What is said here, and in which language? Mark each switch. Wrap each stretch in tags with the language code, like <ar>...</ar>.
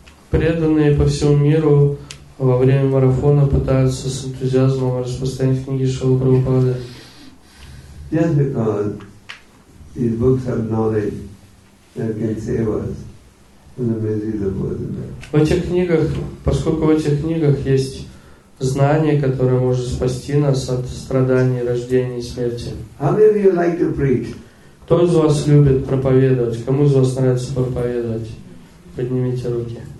<ru>Преданные по всему миру во время марафона пытаются с энтузиазмом распространить книги Шрилы Прабхупады.</ru> <en>these books of knowledge that can save us from the miseries of bodhisattva.</en> <ru>В этих книгах, поскольку в этих книгах есть знание, которое может спасти нас от страданий, рождения и смерти.</ru> <en>How many of you like to preach?</en> <ru>Кто из вас любит проповедовать? Кому из вас нравится проповедовать? Поднимите руки.</ru>